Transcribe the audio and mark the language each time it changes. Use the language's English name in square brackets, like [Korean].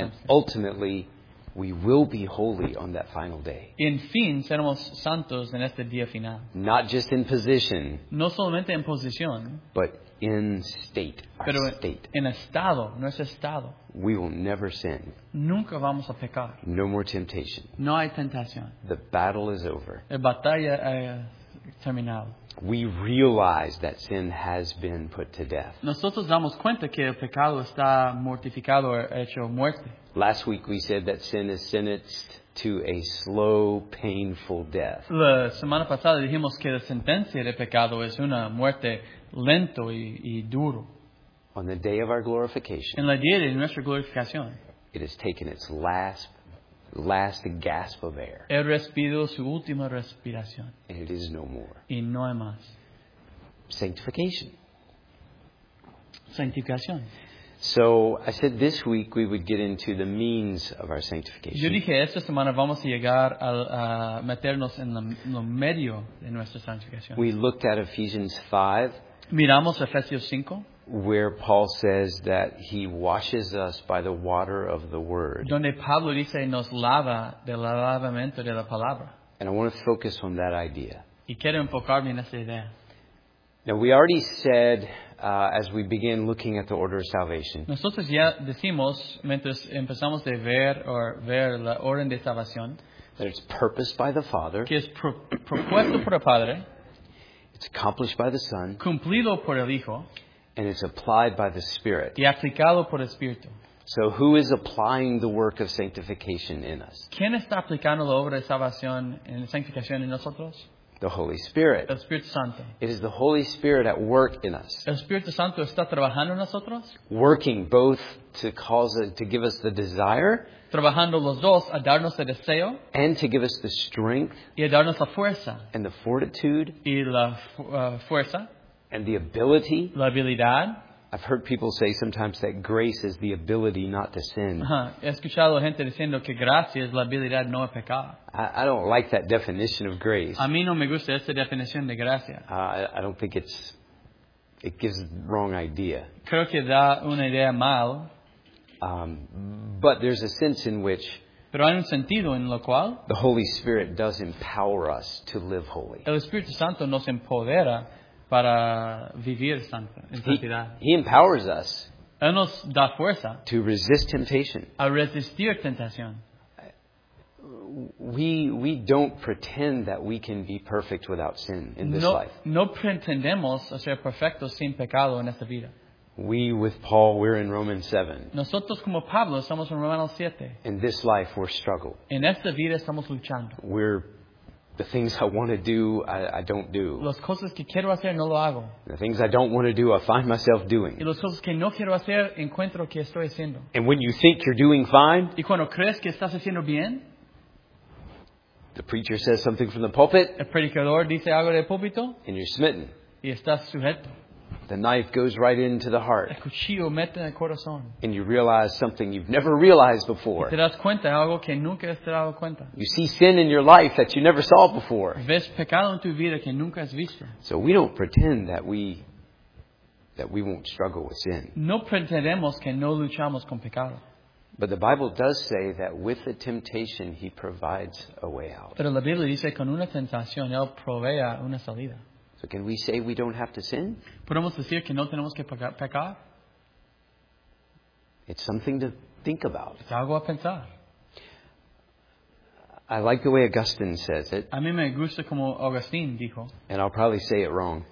[English] And ultimately, we will be holy on that final day. [Spanish] En fin, seremos santos en este día final. [English] Not just in position. [Spanish] No solamente en posición. [English] But in state. [Spanish] Pero [English] our state. [Spanish] En estado, nuestro estado. [English] We will never sin. [Spanish] Nunca vamos a pecar. [English] No more temptation. [Spanish] No hay tentación. [English] The battle is over. [Spanish] La batalla ha terminado. [English] We realize that sin has been put to death. [Spanish] Nosotros damos cuenta que el pecado está mortificado o hecho muerte. [English] Last week we said that sin is sentenced to a slow, painful death. [Spanish] La semana pasada dijimos que la sentencia de pecado es una muerte lento y duro. [English] On the day of our glorification. [Spanish] En el día de nuestra glorificación. [English] It has taken its last gasp of air. [Spanish] Él respiró su última respiración. [English] And it is no more. [Spanish] Y no hay más. [English] Sanctification. [Spanish] Sanctificación. [English] So I said this week we would get into the means of our sanctification. [Spanish] Yo dije esta semana vamos a llegar a meternos en lo medio de nuestra santificación. [English] We looked at Ephesians 5. [Spanish] Miramos Efesios 5. [English] Where Paul says that he washes us by the water of the word. [Spanish] Donde Pablo dice nos lava del lavamiento de la palabra. [English] And I want to focus on that idea. [Spanish] Y quiero enfocarme en esa idea. [English] Now we already said as we begin looking at the order of salvation. [Spanish] Nosotros ya decimos mientras empezamos de ver la orden de salvación. [English] That it's purposed by the Father. [Spanish] Que es propuesto por el Padre. [English] It's accomplished by the Son. [Spanish] Cumplido por el Hijo. [English] And it's applied by the Spirit. [Spanish] Y aplicado por el Espíritu. [English] So who is applying the work of sanctification in us? [Spanish] ¿Quién está aplicando la obra de salvación en la santificación en nosotros? [English] The Holy Spirit. [Spanish] El Espíritu Santo. [English] It is the Holy Spirit at work in us. [Spanish] El Espíritu Santo está trabajando en nosotros. [English] Working both to cause it, to give us the desire. [Spanish] Trabajando los dos a darnos el deseo. [English] And to give us the strength. [Spanish] Y a darnos la fuerza. [English] And the fortitude. [Spanish] Y la fuerza. [English] And the ability. [Spanish] La habilidad. [English] I've heard people say sometimes that grace is the ability not to sin. [Spanish] He escuchado gente diciendo que gracia es la habilidad no a pecar. [English] I don't like that definition of grace. [Spanish] A mí no me gusta esa definición de gracia. [English] I don't think it gives the wrong idea. [Spanish] Creo que da una idea mal. [English] But there's a sense in which. [Spanish] Pero hay un sentido en lo cual. [English] The Holy Spirit does empower us to live holy. [Spanish] El Espíritu Santo nos empodera. Para vivir [English] he empowers us. [Spanish] Él nos da fuerza. [English] To resist temptation. [Spanish] A resistir tentación. [English] We don't pretend that we can be perfect without sin in this [Spanish] no, [English] life. [Spanish] No pretendemos a ser perfectos sin pecado en esta vida. [English] We, with Paul, we're in Romans 7. [Spanish] Nosotros como Pablo estamos en Romanos 7. [English] In this life, we're struggle. [Spanish] En esta vida estamos luchando. [English] We're the things I want to do, I don't do. [Spanish] Las cosas que quiero hacer, no lo hago. [English] The things I don't want to do, I find myself doing. [Spanish] Y las cosas que no quiero hacer, encuentro que estoy haciendo. [English] And when you think you're doing fine, [Spanish] y cuando crees que estás haciendo bien, [English] the preacher says something from the pulpit, [Spanish] el predicador dice algo del púlpito, [English] and you're smitten. [Spanish] Y estás sujeto. [English] The knife goes right into the heart. [Spanish] El cuchillo mete en el corazón. [English] And you realize something you've never realized before. [Spanish] Te das cuenta de algo que nunca has dado cuenta. [English] You see sin in your life that you never saw before. [Spanish] Ves pecado en tu vida que nunca has visto. [English] So we don't pretend that we won't struggle with sin. [Spanish] No pretendemos que no luchamos con pecado. [English] But the Bible does say that with the temptation he provides a way out. [Spanish] Pero la Biblia dice con una tentación él provee una salida. [English] So can we say we don't have to sin? [Spanish] ¿Podemos decir que no tenemos que pecar? [English] It's something to think about. [Spanish] Es algo a pensar. [English] I like the way Augustine says it. [Spanish] A mí me gusta como Augustine dijo. [English] And I'll probably say it wrong.